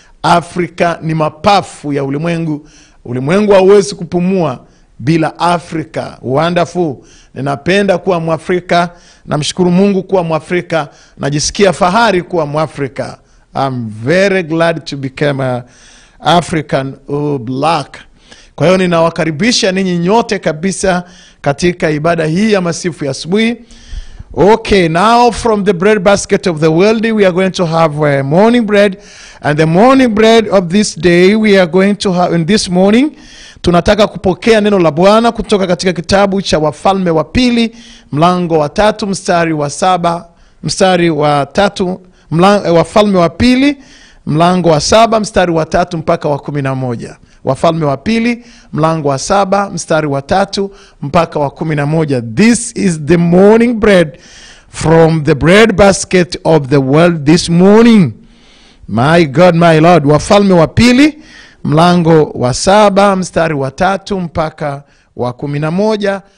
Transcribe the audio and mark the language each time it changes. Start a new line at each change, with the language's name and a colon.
Swahili: Afrika ni mapafu ya ulimwengu. Ulimwengu hauwezi kupumua bila Afrika. Wonderful. Ninapenda kuwa Mwafrika, namshukuru Mungu kuwa Mwafrika, najisikia fahari kuwa Mwafrika.
English: I'm very glad to become a African or black.
Swahili: Kwa hiyo ninawakaribisha ninyi nyote kabisa katika ibada hii ya masifu ya asubuhi.
English: Okay, now from the bread basket of the world we are going to have a morning bread, and the morning bread of this day we are going to have in this morning,
Swahili: tunataka kupokea neno la Bwana kutoka katika kitabu cha Wafalme wa pili mlango wa 3 mstari wa 7 mstari wa 3 Wafalme wa pili mlango wa 7 mstari wa 3 mpaka wa 11. Wafalme wa pili mlango wa 7 mstari wa 3 mpaka wa 11.
English: This is the morning bread from the bread basket of the world this morning. My God, my Lord.
Swahili: Wafalme wa pili, mlango wa saba, mstari wa tatu, mpaka wa kumi na moja.